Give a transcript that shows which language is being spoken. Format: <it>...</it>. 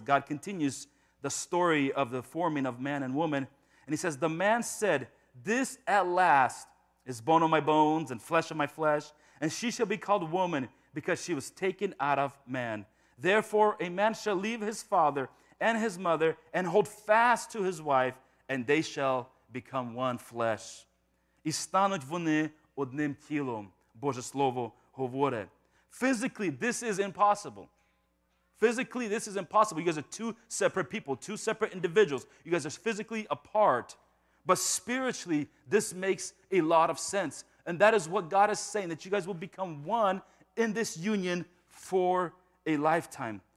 <en>God continues the story of the forming of man and woman. And he says, the man said, this at last is bone of my bones and flesh of my flesh. And she shall be called woman because she was taken out of man. Therefore, a man shall leave his father and his mother and hold fast to his wife, and they shall become one flesh.</en> <uk>І стануть вони одним тілом, Боже Слово говорить.</uk> <en>Physically, this is impossible. Physically, this is impossible. You guys are two separate people, two separate individuals. You guys are physically apart. But spiritually, this makes a lot of sense. And that is what God is saying, that you guys will become one in this union for a lifetime.</en>